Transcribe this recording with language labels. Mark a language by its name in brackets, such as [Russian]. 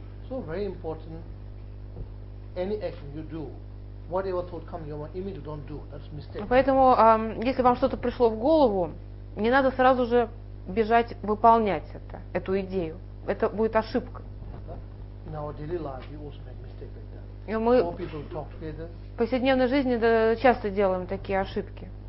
[English] So very important, any action you do, whatever thought comes your mind, immediately don't do. That's mistake. [Russian] Поэтому, если вам что-то пришло в голову, не надо сразу же бежать выполнять это, эту идею. Это будет ошибка. [English] In our daily life, we also make mistakes like that. [Russian] Мы [English] four people talk together. [Russian] В повседневной жизни часто делаем такие ошибки.